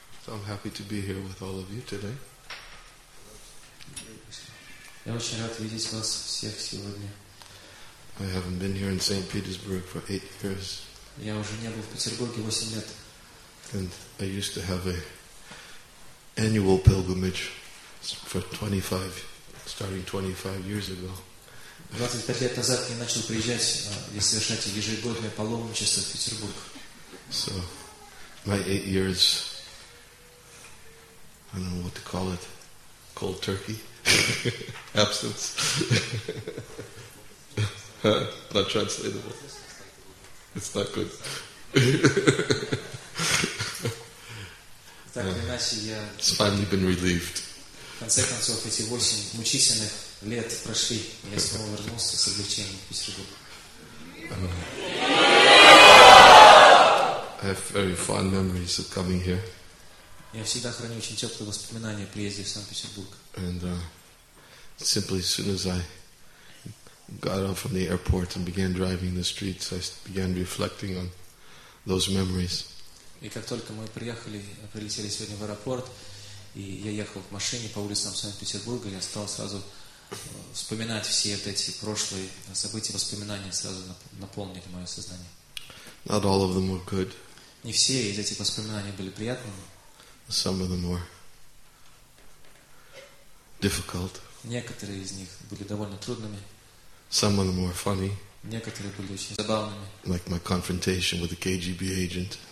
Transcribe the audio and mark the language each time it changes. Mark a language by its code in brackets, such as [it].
[en] I'm happy to be here with all of you today. [ru] Я очень рад видеть вас всех сегодня. [en] I haven't been here in St. Petersburg for 8 years. [ru] Я уже не был в Петербурге 8 лет. [en] And I used to have an annual pilgrimage for 25, starting 25 years ago. [ru] 25 лет назад я начал приезжать и совершать ежегодное паломничество в Петербург. [en] So, my 8 years, I don't know what to call it, cold turkey, absence. Not translatable. It's not good. It's finally been relieved. [ru] В конце концов, эти 8 мучительных лет прошли, и я снова вернулся с облегчением в Петербург. [en] I have very fond memories of coming here. [ru] Я всегда храню очень теплые воспоминания о приезде в Санкт-Петербург. [en] And simply as soon as I got off from the airport and began driving the streets, I began reflecting on those memories. [ru] И как только мы прилетели сегодня в аэропорт, и я ехал в машине по улицам Санкт-Петербурга, я стал сразу вспоминать все вот эти прошлые события, воспоминания сразу наполнили мое сознание. [en] Not all of them were good. [ru] Не все из этих воспоминаний были приятными. [en] Some of them were difficult. [ru] Некоторые из них были довольно трудными. [en] Some of them were funny. [ru] Некоторые были очень забавными. [en] Like my confrontation with the KGB agent.